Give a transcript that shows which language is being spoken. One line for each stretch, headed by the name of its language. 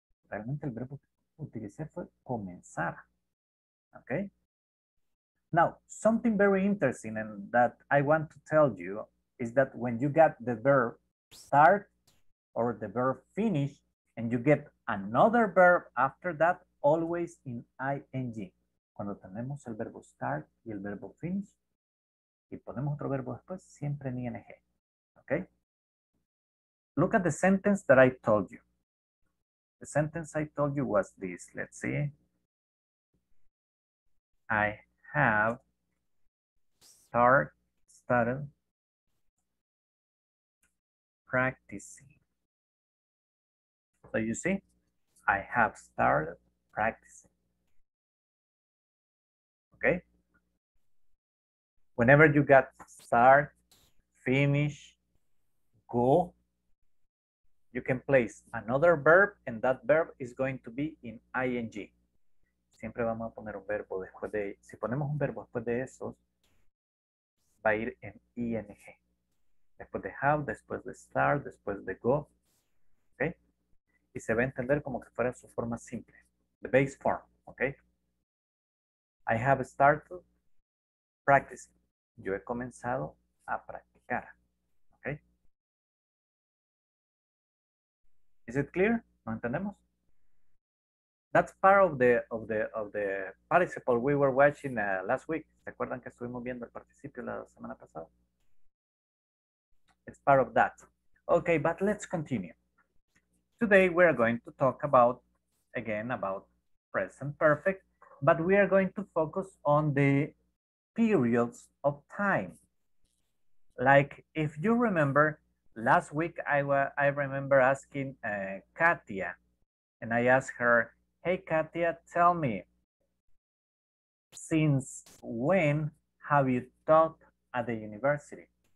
Spanish: Realmente el verbo que utilicé fue comenzar. Okay.
English: Now, something very interesting and that I want to tell you is that when you get the verb start or the verb finish and you get another verb after that, always in ing.
Spanish: Cuando tenemos el verbo start y el verbo finish y ponemos otro verbo después, siempre en ing.
English: Okay? Look at the sentence that I told you. The sentence I told you was this. Let's see. I have started practicing. So you see, I have started practicing. Okay? Whenever you got start, finish, go, you can place another verb and that verb is going to be in ing.
Spanish: Siempre vamos a poner un verbo después de, si ponemos un verbo después de eso, va a ir en ing. Después de have, después de start, después de go. Okay? Y se va a entender como que fuera su forma simple.
English: The base form. Okay? I have started practicing.
Spanish: Yo he comenzado a practicar. Okay?
English: Is it clear?
Spanish: ¿No entendemos?
English: That's part of the participle we were watching last week.
Spanish: ¿Se acuerdan que estuvimos viendo el participio la semana pasada?
English: It's part of that. Okay, but let's continue. Today we are going to talk about, again, about present perfect, but we are going to focus on the periods of time. Like, if you remember, last week I remember asking Katia, and I asked her, hey, Katia, tell me, since when have you taught at the university?